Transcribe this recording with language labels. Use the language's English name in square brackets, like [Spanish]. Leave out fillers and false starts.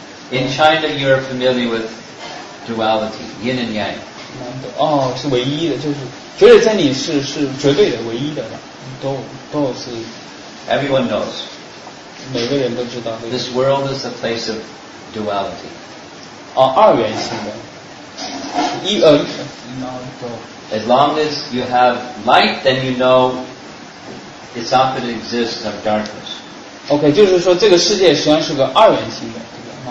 [English] In China, you are familiar with duality, yin and yang. [Chinese] 哦，是唯一的，就是绝对真理是绝对的，唯一的。 [English] Dual 是 Everyone knows. [Chinese] 每个人都知道。 [English] This world is a place of duality. [Chinese] 哦，二元性的。 [English] As long as you have light, then you know it's not going to exist of darkness. [Chinese] OK, 就是说这个世界实际上是个二元性的对吧